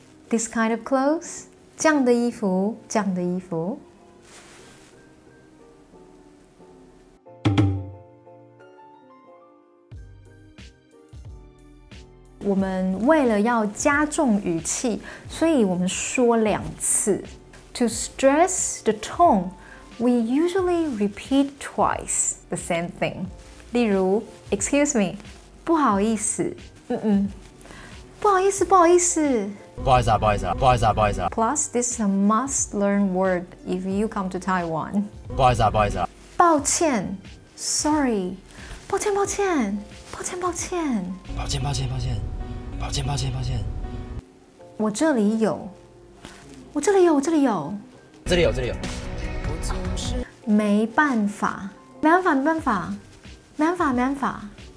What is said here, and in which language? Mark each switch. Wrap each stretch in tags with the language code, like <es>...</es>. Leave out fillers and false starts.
<zh>This kind of clothes，这样的衣服，这样的衣服。我们为了要加重语气，所以我们说两次。</zh> <en>To stress the tone, we usually repeat twice the same thing.</en> <zh>例如 ， Excuse me, 不好意思，嗯嗯，不好意思，不好意思，不好意思啊，不好意思啊，不好意思啊，不好意思啊。</zh> <en>Plus, this is a must-learn word if you come to Taiwan.</en> <zh>不好意思啊，不好意思啊，抱歉 ，Sorry, 抱歉，抱歉。抱歉，抱歉，抱歉，抱歉，抱歉，抱歉，抱歉，抱歉。我这里有，我这里有，我这里有，这里有，这里有。没办法，没办法，没办法，没办法，没办法。</zh>